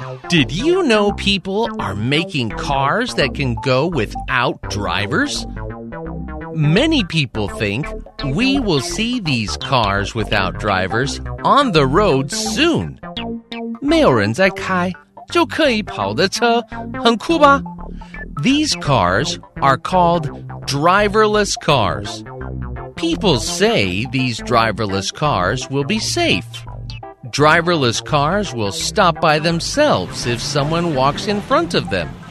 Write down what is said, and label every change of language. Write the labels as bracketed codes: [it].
[en] Did you know people are making cars that can go without drivers? Many people think we will see these cars without drivers on the road soon. [zh] 没有人在开就可以跑的车，很酷吧？ [en] These cars are called driverless cars. People say these driverless cars will be safe. Driverless cars will stop by themselves if someone walks in front of them.